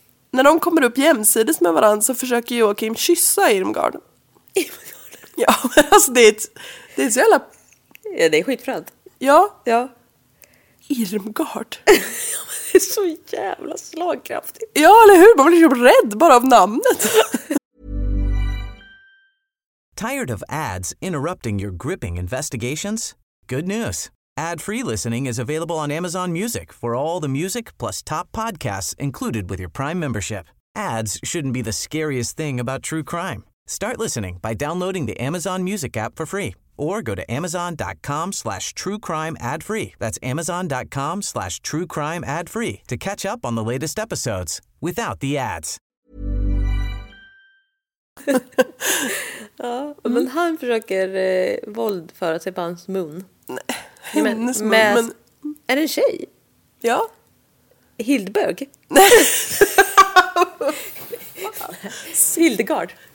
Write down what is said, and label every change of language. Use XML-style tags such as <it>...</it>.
<sv>När de kommer upp jämsides med varandra så försöker Joakim kyssa Irmgard. Ja, men alltså det är så jävla... ja, det är skitfränt. Ja. Ja. Irmgard. Det är så jävla slagkraftigt. Ja, eller hur? Man blir ju rädd bara av namnet.</sv> <en>Tired of ads interrupting your gripping investigations? Good news. Ad-free listening is available on Amazon Music for all the music plus top podcasts included with your Prime membership. Ads shouldn't be the scariest thing about true crime. Start listening by downloading the Amazon Music app for free or go to amazon.com/truecrimeadfree. That's amazon.com/truecrimeadfree to catch up on the latest episodes without the ads.</en> <sv>Ja, men han försöker våldföra sig på hans mun. Hennes mun, men... Är det en tjej? Ja. Hildbög? Hildegard?</sv>